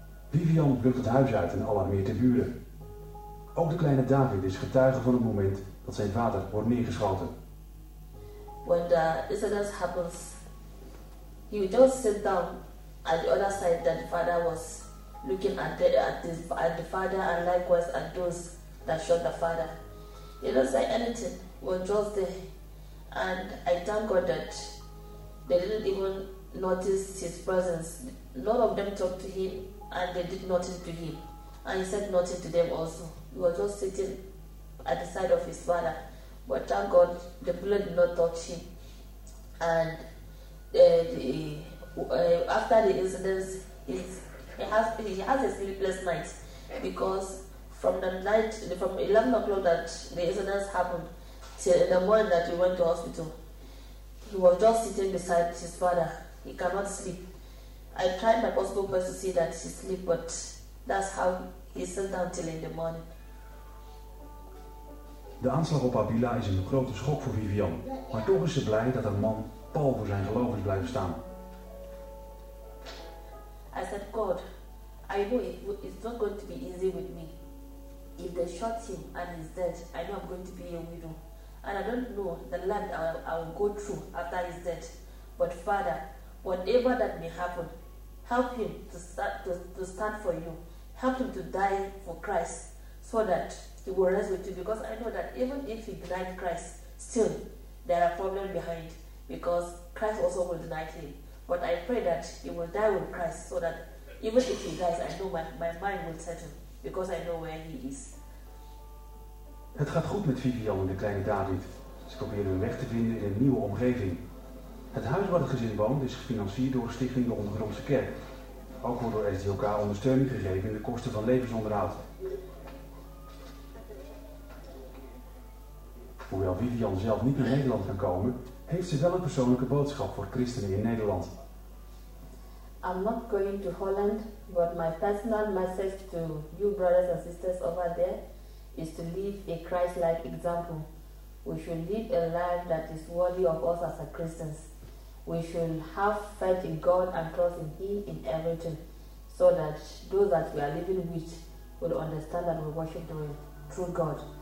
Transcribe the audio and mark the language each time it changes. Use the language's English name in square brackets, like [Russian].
[Dutch] Vivian lukt het huis uit en alarmeert de buren. Ook de kleine David is getuige van het moment dat zijn vader wordt neergeschoten. [English] When the incident happens, he would just sit down at the other side that the father was looking at the father and likewise at those that shot the father. He didn't say anything, he was just there. And I thank God that they didn't even notice his presence. None of them talked to him, and they did nothing to him. And he said nothing to them also. He was just sitting at the side of his father. But thank God, the bullet did not touch him. And after the incident, he has a sleepless night, because from the night, from 11 o'clock that the incident happened, till the morning that he went to hospital, he was just sitting beside his father. He cannot sleep. I tried my possible best to see that he sleep, but that's how he sat down till in the morning. [Dutch] De aanslag op Abila is een grote schok voor Vivian, maar toch is ze blij dat haar man pal voor zijn geloof is blijven staan. [English] I said, God, I know it's not going to be easy with me. If they shot him and he's dead, I know I'm going to be a widow. And I don't know the land I'll go through after he's dead. But Father, whatever that may happen, help him to stand for you. Help him to die for Christ so that he will rest with you. Because I know that even if he denied Christ, still there are problems behind, because Christ also will deny him. But I pray that he will die with Christ so that even if he dies, I know my mind will settle, because I know where he is. [Dutch] Het gaat goed met Vivian en de kleine David. Ze proberen hun weg te vinden in een nieuwe omgeving. Het huis waar het gezin woont is gefinancierd door de Stichting de Ondergrondse Kerk. Ook wordt door SDOK ondersteuning gegeven in de kosten van levensonderhoud. Hoewel Vivian zelf niet naar Nederland kan komen, heeft ze wel een persoonlijke boodschap voor christenen in Nederland. [English] I'm not going to Holland, but my personal message to you brothers and sisters over there is to live a Christ-like example. We should live a life that is worthy of us as a Christians. We should have faith in God and trust in Him in everything, so that those that we are living with will understand that we worship the true God.